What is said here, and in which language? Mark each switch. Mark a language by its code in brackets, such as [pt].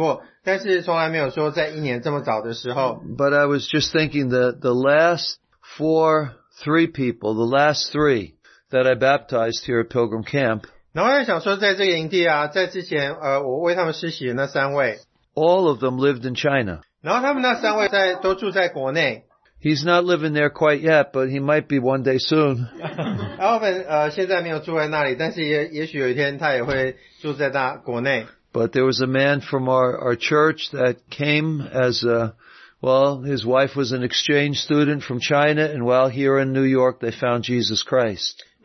[zh] 以前我有在湖里面帮人家施洗过,但是从来没有说在一年这么早的时候。 [en] But I was just thinking that the last three that I baptized here at Pilgrim Camp, [zh] 然后我也想说在这个营地啊,在之前我为他们施洗的那三位, [en] all of them lived in China. [zh] 然后他们那三位都住在国内。 [en] He's not living there quite yet, but he might be one day soon. [zh] Alvin, 现在没有住在那里,但是也许有一天他也会住在国内。 [en] But there was a man from our church that came as a, well, his wife was an exchange student from China, and while here in New York, they found Jesus Christ.